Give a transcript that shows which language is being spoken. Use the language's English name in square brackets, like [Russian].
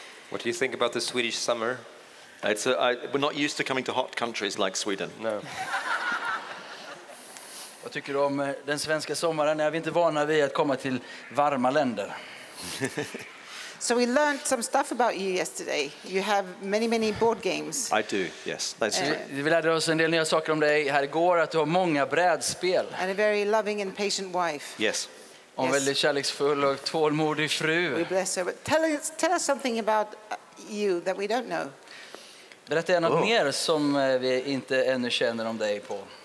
[English] What do you think about the Swedish summer? We're not used to coming to hot countries like Sweden. No. [Swedish] Jag tycker om den svenska sommaren. Är vi inte vana vid att komma till varma länder? [English] So we learned some stuff about you yesterday. You have many, many board games. I do, yes. That's true. [Swedish] Vi lärde oss en del nya saker om dig här igår, att du har många brädspel. [English] And a very loving and patient wife. Yes. [Swedish] Och en väldigt kärleksfull och tålmodig fru. [English] We bless her. But tell us something about you that we don't know. [Swedish] Berätta gärna något mer som vi inte ännu känner om dig på.